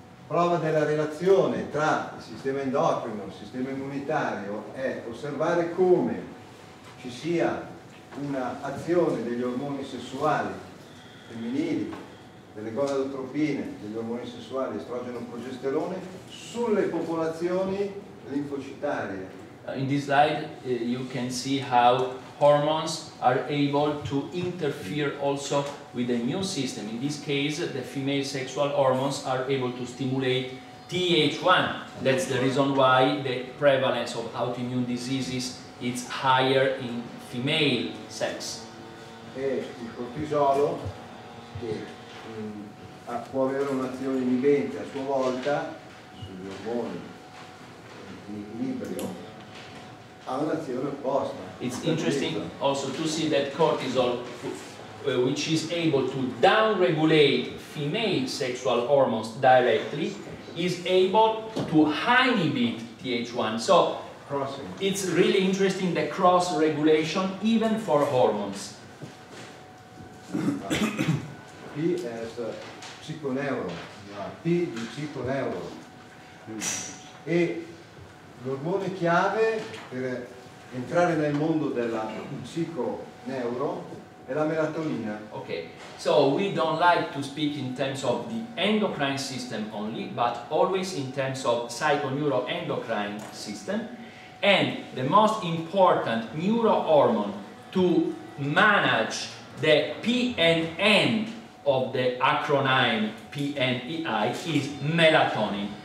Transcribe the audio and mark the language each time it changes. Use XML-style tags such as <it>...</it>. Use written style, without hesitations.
<it>prova della relazione tra il sistema endocrino e il sistema immunitario è osservare come ci sia una azione degli ormoni sessuali femminili, delle gonadotropine, degli ormoni sessuali, estrogeno e progesterone, sulle popolazioni linfocitarie.</it> <en>In this slide you can see how hormones are able to interfere also with the immune system. In this case, the female sexual hormones are able to stimulate TH1. That's the reason why the prevalence of autoimmune diseases is higher in female sex.</en> <it>E il cortisolo, che può avere un'azione inibente a sua volta sugli ormoni di equilibrio, ha un'azione opposta.</it> <en>It's interesting also to see that cortisol, which is able to downregulate female sexual hormones directly, is able to inhibit TH1. So it's really interesting, the cross regulation even for hormones. P is psiconeuro,</en> <it>P di psiconeuro. E l'ormone chiave per entrare nel mondo della psiconeuro è la melatonina.</it> <en>Okay, so we don't like to speak in terms of the endocrine system only, but always in terms of psychoneuroendocrine system. And the most important neurohormone to manage the PNN of the acronym PNEI is melatonin.</en>